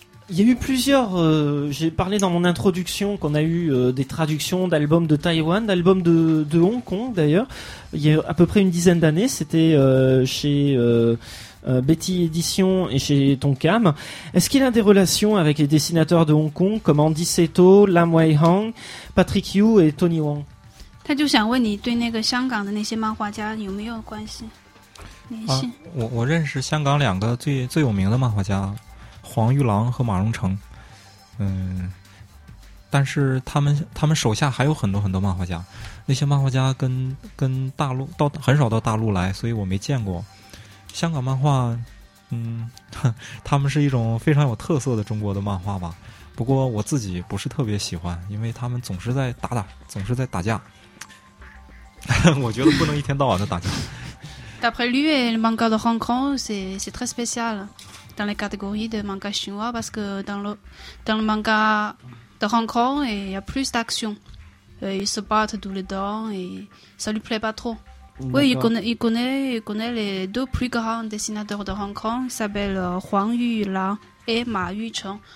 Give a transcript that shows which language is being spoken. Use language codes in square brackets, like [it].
[fr] Il y a eu plusieurs, j'ai parlé dans mon introduction qu'on a eu des traductions d'albums de Taïwan, d'albums de Hong Kong d'ailleurs, il y a à peu près une dizaine d'années, c'était chez Betty Edition et chez Tonkam. Est-ce qu'il a des relations avec les dessinateurs de Hong Kong comme Andy Seto, Lam Wai Hong, Patrick Yu et Tony Wong ? Il veut savoir si tu as des relations avec les dessinateurs de Hong Kong. Je connais les deux plus connus de Hong Kong. [zh] 黄玉郎和马荣成，但是他们手下还有很多很多漫画家，那些漫画家跟大陆到很少到大陆来，所以我没见过香港漫画。他们是一种非常有特色的中国的漫画吧，不过我自己不是特别喜欢，因为他们总是在打架，我觉得不能一天到晚的打架。 [fr] D'après lui, le manga de Hong Kong, c'est très spécial. Dans les catégories de manga chinois, parce que dans le manga de Hong Kong, il y a plus d'action. Ils se battent tous les deux et ça ne lui plaît pas trop. Oui, il connaît les deux plus grands dessinateurs de Hong Kong, ils s'appellent Huang Yulan et Ma Yuchen.